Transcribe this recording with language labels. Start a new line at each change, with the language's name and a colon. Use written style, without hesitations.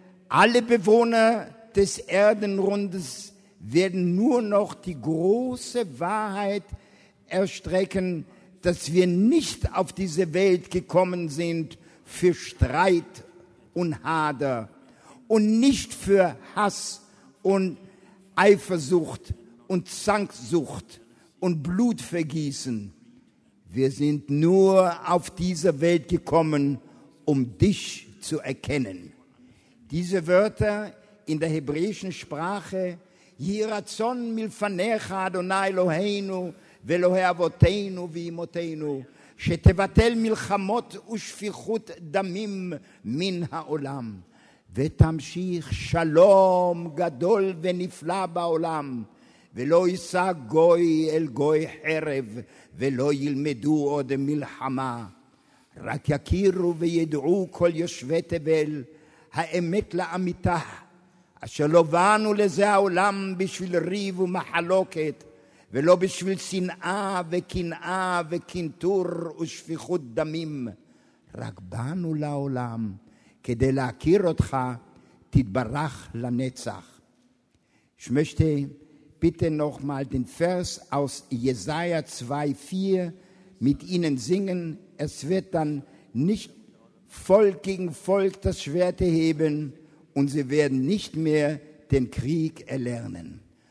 German: Alle Bewohner des Erdenrundes werden nur noch die große Wahrheit erstrecken, dass wir nicht auf diese Welt gekommen sind für Streit und Hader und nicht für Hass und Eifersucht und Zanksucht und Blutvergießen. Wir sind nur auf diese Welt gekommen, um dich zu erkennen. Diese Wörter in der hebräischen Sprache,
Hebrew: Yirazon milfanecha Adonai Eloheinu, ואלוהי אבותינו ואמותינו, שתבטל מלחמות ושפיכות דמים מן העולם, ותמשיך שלום גדול ונפלא בעולם, ולא יישא גוי אל גוי חרב, ולא ילמדו עוד מלחמה, רק יכירו וידעו כל יושבי תבל, האמת לאמיתה, אשר לא באנו לזה העולם בשביל ריב ומחלוקת, ולא בשביל שנאה וקנאה וקנטור ושפיכות דמים, רק באנו לעולם כדי להכיר אותך, תתברך לנצח.
German: Ich möchte bitte noch mal den Vers aus Jesaja 2,4 mit Ihnen singen. Es wird dann nicht Volk gegen Volk das Schwert erheben und sie werden nicht mehr den Krieg erlernen.